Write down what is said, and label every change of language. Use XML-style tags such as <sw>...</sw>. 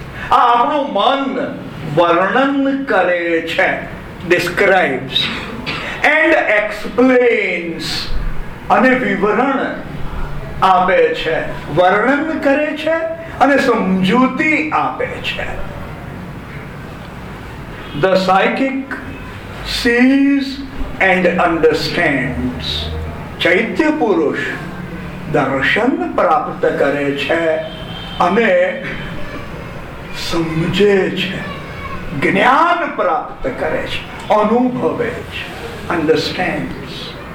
<gu>આ આપણું મન વર્ણન કરે છે,</gu> <en>describes and explains,</en> <gu>અને વિવરણ આપે છે, વર્ણન કરે છે અને સમજૂતી આપે છે.</gu> <en>The psychic sees and understands.</en> <gu>ચૈત્ય પુરુષ દર્શન પ્રાપ્ત કરે છે અને સમજે છે, જ્ઞાન પ્રાપ્ત કરે છે, અનુભવે છે, અન્ડરસ્ટેન્ડ્સ.</gu>